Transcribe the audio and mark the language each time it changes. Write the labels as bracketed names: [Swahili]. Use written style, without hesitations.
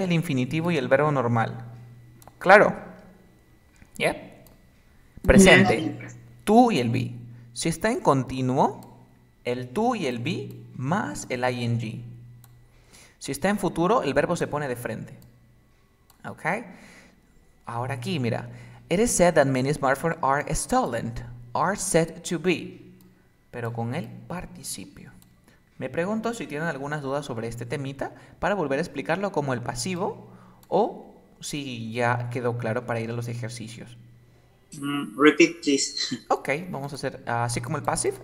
[Spanish] El infinitivo y el verbo normal. Claro. ¿Ya? Yeah. Presente. Yes. Tú y el be. Si está en continuo, el tú y el be más el ing. Si está en futuro, el verbo se pone de frente. Ok. Ahora aquí, mira. [English] It is said that many smartphones are stolen. Are said to be. [Spanish] Pero con el participio. Me pregunto si tienen algunas dudas sobre este temita para volver a explicarlo como el pasivo o si ya quedó claro para ir a los ejercicios. [English] Repeat, please. [Spanish] Ok, vamos a hacer así como el passive.